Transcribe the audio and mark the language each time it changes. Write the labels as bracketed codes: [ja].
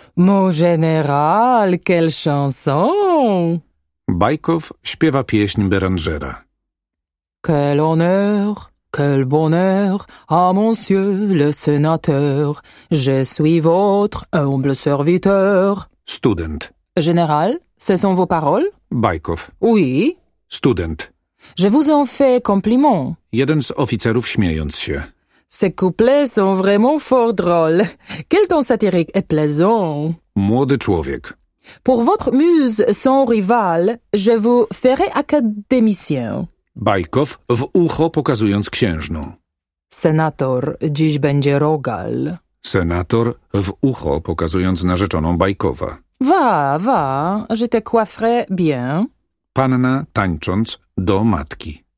[fr] Mon général, quelle chanson! [pl] Bajkow śpiewa pieśń Berengera. [fr] Quel honneur, quel bonheur, à monsieur le sénateur. Je suis votre humble serviteur. [pl] Student. [fr] Général, ce sont vos paroles? [pl] Bajkow. [fr] Oui. [pl] Student. [fr] Je vous en fais compliment. [pl] Jeden z oficerów śmiejąc się. [fr] Ces couplets sont vraiment fort drôles. Quel ton satirique et plaisant. [pl] Młody człowiek. [fr] Pour votre muse, son rival, je vous ferai académicien. [pl] Bajkow w ucho pokazując księżną. Senator, dziś będzie rogal. Senator w ucho pokazując narzeczoną Bajkowa. [fr] Va, je te coifferai bien. [pl] Panna tańcząc do matki.